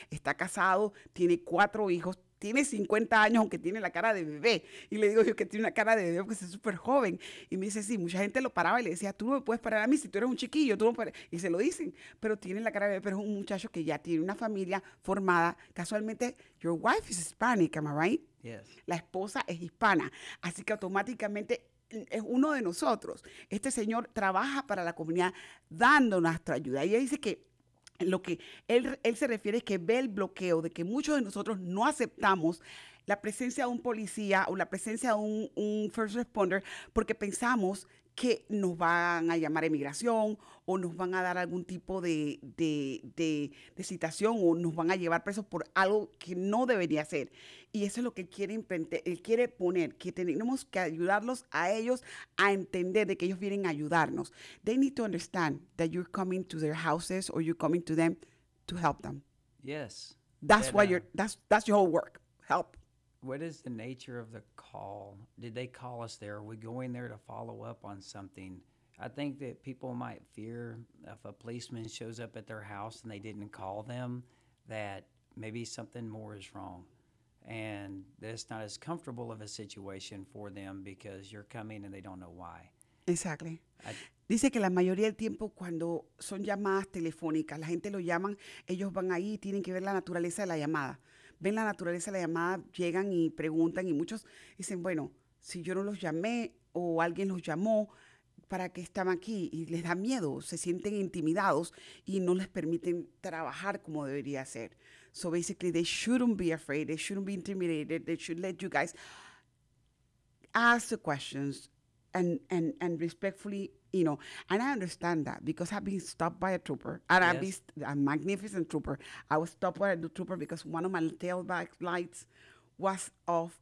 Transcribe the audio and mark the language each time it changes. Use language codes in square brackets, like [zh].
[es] Está casado, tiene 4 hijos. Tiene 50 años, aunque tiene la cara de bebé. Y le digo yo que tiene una cara de bebé porque es súper joven. Y me dice, sí, mucha gente lo paraba y le decía, tú no me puedes parar a mí si tú eres un chiquillo. Tú no puedes. Y se lo dicen, pero tiene la cara de bebé. Pero es un muchacho que ya tiene una familia formada. Casualmente, [en] your wife is Hispanic, am I right? Yes. [es] La esposa es hispana. Así que automáticamente es uno de nosotros. Este señor trabaja para la comunidad dando nuestra ayuda. Y ella dice que lo que él se refiere es que ve el bloqueo de que muchos de nosotros no aceptamos la presencia de un policía o la presencia de un first responder porque pensamos que nos van a llamar a inmigración o nos van a dar algún tipo de citación o nos van a llevar presos por algo que no debería ser. Y eso es lo que él quiere poner, que tenemos que ayudarlos a ellos a entender de que ellos vienen a ayudarnos. [en] They need to understand that you're coming to their houses or you're coming to them to help them. Yes. That's your whole work. Help. What is the nature of the call? Did they call us there? Are we going there to follow up on something? I think that people might fear if a policeman shows up at their house and they didn't call them, that maybe something more is wrong. And that's not as comfortable of a situation for them because you're coming and they don't know why. Exactly. [es] Dice que la mayoría del tiempo cuando son llamadas telefónicas, la gente lo llaman, ellos van ahí y tienen que ver la naturaleza de la llamada. Ven la naturaleza de la llamada, llegan y preguntan y muchos dicen, bueno, si yo no los llamé o alguien los llamó, ¿para qué están aquí? Y les da miedo, se sienten intimidados y no les permiten trabajar como debería ser. [en] So basically, they shouldn't be afraid, they shouldn't be intimidated, they should let you guys ask the questions and respectfully, you know. And I understand that because I've been stopped by a trooper. And yes. I've been a magnificent trooper. I was stopped by a trooper because one of my tailback lights was off.